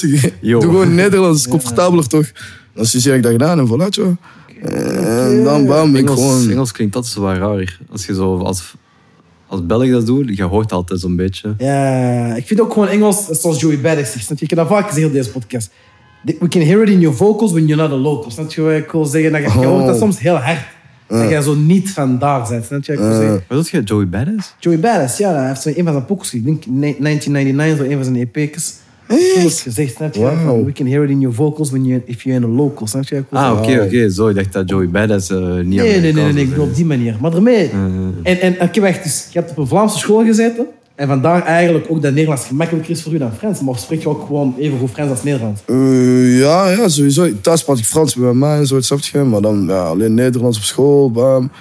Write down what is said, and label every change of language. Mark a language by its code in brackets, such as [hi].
[nl] Doe gewoon in Nederlands. Comfortabeler toch? Dan zie ik dat gedaan. En voilà, joh. En dan bam, Engels, ik gewoon... Engels klinkt altijd zo wat raar. Als je zo... Als Belg dat doet, je hoort altijd zo'n beetje. Ja, ik vind ook gewoon Engels, zoals Joey Badek zegt. Je kan dat vaak zeggen op deze podcast. [en] We can hear it in your vocals when you're not a local. [nl] Snap je wat ik wil zeggen? Je hoort dat soms heel hard. Dat jij zo niet vandaag bent. Snap je wat ik wil zeggen? Joey Badek? Joey Badek, ja. Hij heeft zo een van zijn pokus. Ik denk 1999, zo een van zijn EP's. Gezegd, snap je? Wow. [en] We can hear it in your vocals when you, if you're in a local. [nl] Snap je? Oké. Zo, ik dacht dat Joey Badass niet aan Nee, ik bedoel op die manier. Maar daarmee... En, je hebt op een Vlaamse school gezeten. En vandaar eigenlijk ook dat Nederlands gemakkelijker is voor u dan Frans. Maar spreek je ook gewoon even goed Frans als Nederlands? Ja, sowieso. Thuis praat ik Frans bij mij en zo, snap je? Maar dan alleen Nederlands op school, bam.